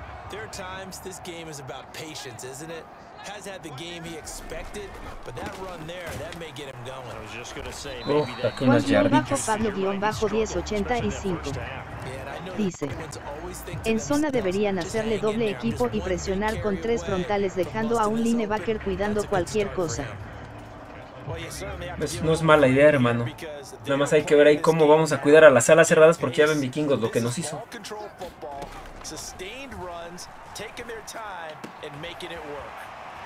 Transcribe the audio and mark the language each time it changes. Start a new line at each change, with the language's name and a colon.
English: There are times this game is about patience, isn't it? Has had the game he expected, but that run there, that may get him going. I was just going to say, maybe that could have
Spanish: been bajo Pablo guión bajo 1085. Dice, en zona deberían hacerle doble equipo y presionar con tres frontales, dejando a un linebacker cuidando cualquier cosa. Pues no es mala idea, hermano. Nada más hay que ver ahí cómo vamos a cuidar a las alas cerradas, porque ya ven vikingos lo que nos hizo.
English: Sustained runs, taking their time and making it work.